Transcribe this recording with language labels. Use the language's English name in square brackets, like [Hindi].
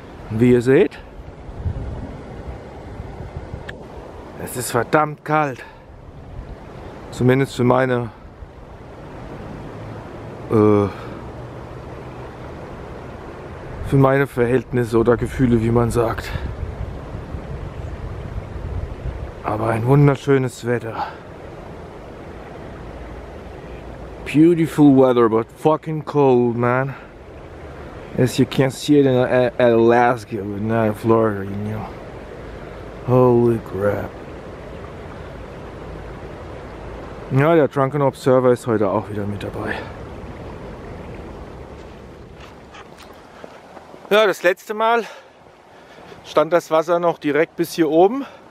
[German] Wie ihr seht, es ist verdammt kalt, zumindest für meine Verhältnisse oder Gefühle, wie man sagt. Aber ein wunderschönes Wetter. [English] Beautiful weather, but fucking cold, man. As you can see it in Alaska, but not in Florida, you know. Holy crap. [German] Ja, der Drunken Observer ist heute auch wieder mit dabei. Ja, das letzte Mal stand das Wasser noch direkt bis hier oben.